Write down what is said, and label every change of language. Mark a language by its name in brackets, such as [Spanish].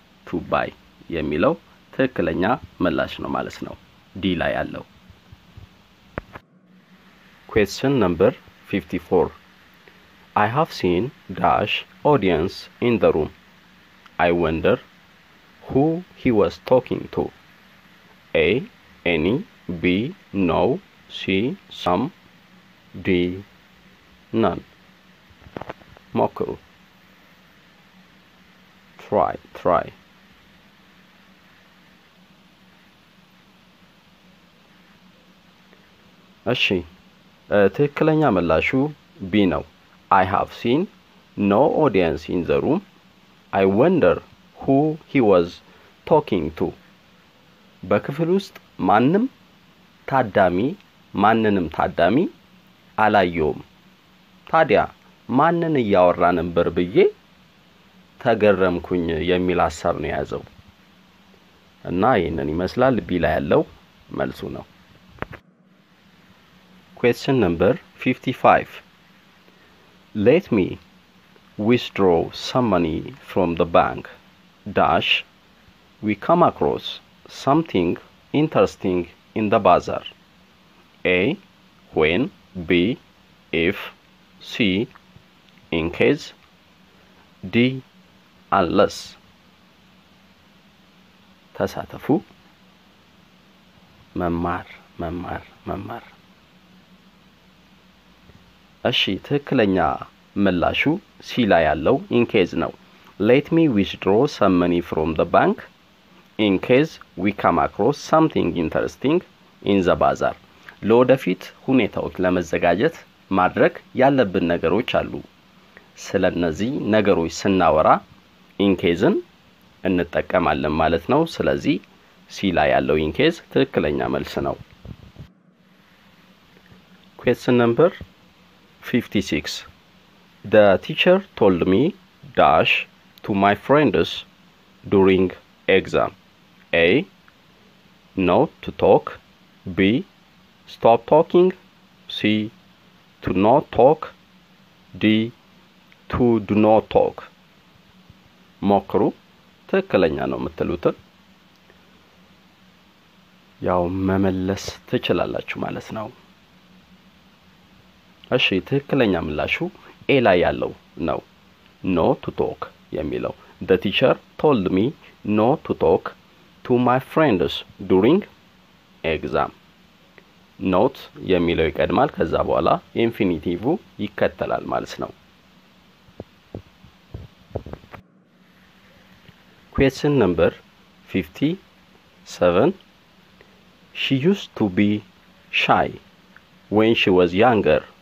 [English] to buy [Amharic] የሚለው ትክክለኛ ምላሽ ነው ማለት ነው ዲ ላይ ያለው። [English] Question number 54. I have seen - audience in the room. I wonder who he was talking to. A. Any. B. No. C. Some. D. None. [Amharic] ሞክሩ። [English] Try. [Amharic] እሺ ትክክለኛ መላሹ B ነው። [English] I have seen no audience in the room. I wonder who he was talking to. [Amharic] በክፍል ውስጥ ማንንም ታዳሚ አላየውም። ታዲያ ማንን እያወራ ነበር ብዬ ተገረምኩኝ የሚል ሐሳብ ነው ያዘው። እና ይሄንን ይመስላል B ላይ ያለው መልሱ ነው። [English] Question number 55. Let me withdraw some money from the bank - we come across something interesting in the bazaar. A. When. B. If. C. In case. D. Unless. [Amharic] ተሳተፉ። መማር። እሺ ትክክለኛ መላሹ ሲ ላይ ያለው [English] ኢንኬዝ ነው። let me withdraw some money from the bank in case we come across something interesting in the bazaar. [Amharic] ለወደፊት ሁኔታዎች ለመዘጋጀት ማድረግ ያለብን ነገሮች አሉ። ስለነዚህ ነገሮች ስናወራ ኢንኬዝን እንጠቀማለን ማለት ነው። ስለዚህ ሲ ላይ ያለው ኢንኬዝ ትክክለኛ መልስ ነው። [English] question number 56. The teacher told me - to my friends during exam. A. Not to talk. B. Stop talking. C. To not talk. D. to do not talk. [Amharic] ሞክሩ ተከለኛ ነው የምትሉት ያው መመለስ ትችላላችሁ ማለት ነው። እሺ ተከለኛ ምላሹ ኤ ላይ ያለው ነው [English] not to talk [Amharic] የሚለው። [English] The teacher told me not to talk to my friends during exam. [Amharic] not የሚለው ይቀድማል ከዛ በኋላ infinitive ይከተላል ማለት ነው። [English] Question number 57. She used to be shy when she was younger.